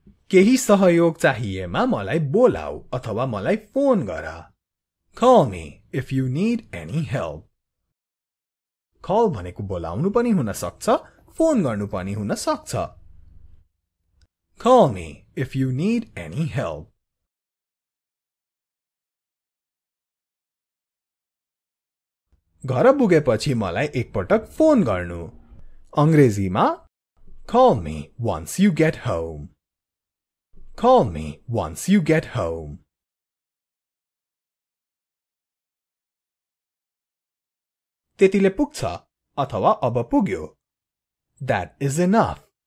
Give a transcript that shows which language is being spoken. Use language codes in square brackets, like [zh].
[ne] केही सहयोग चाहिएमा मलाई बोलाऊ अथवा मलाई फोन गर [en] Call me if you need any help. [ne] Call भनेको बोलाउनु पनि हुन सक्छ, फोन गर्नु पनि हुन सक्छ. [en] Call me if you need any help. [ne] घर पुगेपछि मलाई एकपटक फोन गर्नु. अंग्रेजीमा [en] Call me once you get home. Call me once you get home. [ne] त्यतिले पुग्छ अथवा अब पुग्यो [en] That is enough